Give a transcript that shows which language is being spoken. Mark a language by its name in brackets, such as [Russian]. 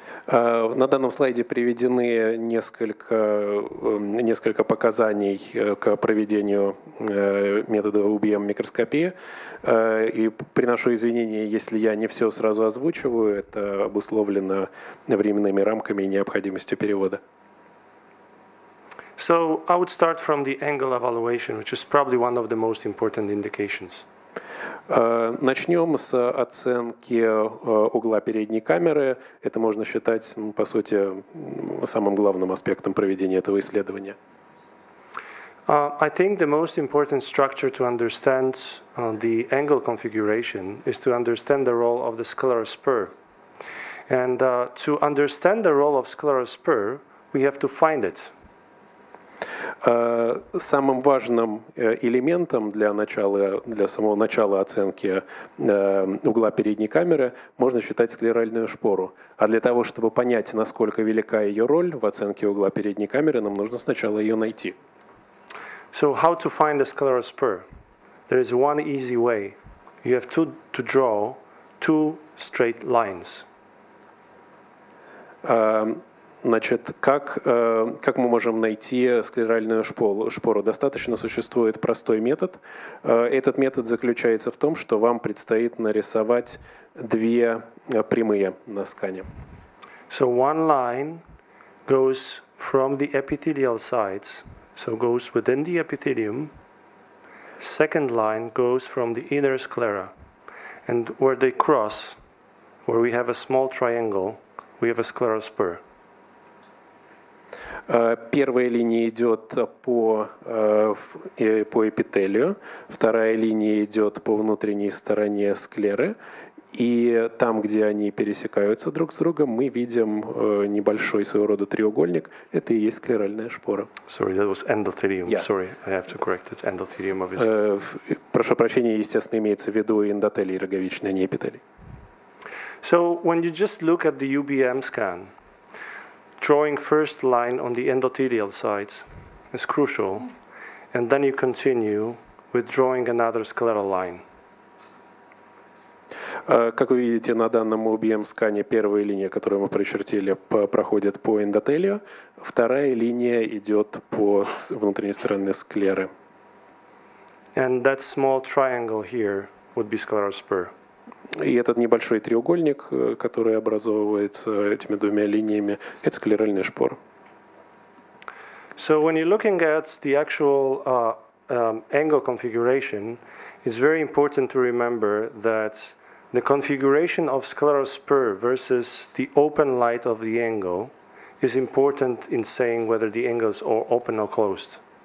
[Russian] На данном слайде приведены несколько показаний к проведению метода UBM-микроскопии. И приношу извинения, если я не все сразу озвучиваю. Это обусловлено временными рамками и необходимостью перевода. [English] So I would start from the angle evaluation, which is probably one of the most important indications. [Russian] Начнем с оценки угла передней камеры. Это можно считать, по сути, самым главным аспектом проведения этого исследования. [English] I think the most important structure to understand the angle configuration is to understand the role of the scleral spur. And to understand the role of scleral spur, we have to find it. [Russian] Самым важным элементом для начала, для самого начала оценки угла передней камеры можно считать склеральную шпору. А для того, чтобы понять, насколько велика ее роль в оценке угла передней камеры, нам нужно сначала ее найти. [English] So how to find the scleral spur? There is one easy way. You have to draw two straight lines. [Russian] Значит, как мы можем найти склеральную шпору? Достаточно существует простой метод. Этот метод заключается в том, что вам предстоит нарисовать две прямые на скане. [English] So one line goes from the epithelial sides, so goes within the epithelium. Second line goes from the inner sclera. And where they cross, where we have a small triangle, we have a scleral spur. [Russian] Первая линия идет по эпителию, вторая линия идет по внутренней стороне склеры, и там, где они пересекаются друг с другом, мы видим небольшой своего рода треугольник. Это и есть склеральная шпора. [English] Sorry, that was endothelium. Yeah. Sorry, I have to correct it. Endothelium, obviously. [Russian] Прошу прощения, естественно, имеется в виду эндотелий роговичный, а не эпителий. [English] So when you just look at the UBM scan, drawing first line on the endothelial side is crucial, and then you continue with drawing another scleral line. [Russian] Как вы видите, на данном UBM-скане первая линия, которую мы прочертили, проходит по эндотелию, вторая линия идет по внутренней стороне склеры. [English] And that small triangle here would be scleral spur. [Russian] И этот небольшой треугольник, который образовывается этими двумя линиями, это склеральная шпора. [English] So when you're looking at the actual angle configuration, it's very important to remember that the configuration of scleral spur versus the open light of the angle is important in saying whether the angles are open or closed.